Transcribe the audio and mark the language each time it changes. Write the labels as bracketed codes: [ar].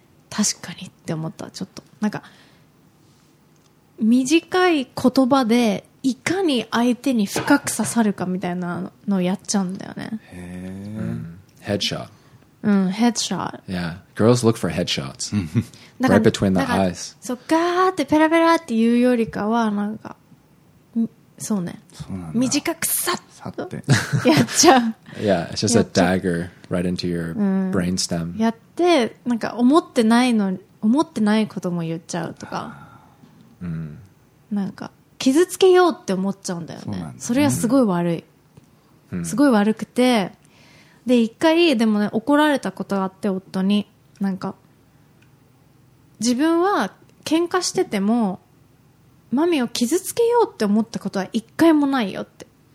[ja] 確かにって思った。ちょっとなんか短い言葉でいかに相手に深く刺さるかみたいなのをやっちゃうんだよね。ヘッドショット、 [en] headshot. Yeah, girls look for headshots right between the eyes. [ja] So, ガーってペラペラって言うよりかはなんか、そうね。そうなんだ。短くさっとやっちゃう。 [en] Yeah, it's just a dagger right into your brainstem. [ja] やってなんか思ってないの思ってないことも言っちゃうとか、なんか傷つけようって思っちゃうんだよね。それはすごい悪い。すごい悪くて。で一回でもね怒られたことがあって、夫になんか自分は喧嘩しててもマミを傷つけようって思ったことは一回もないよって。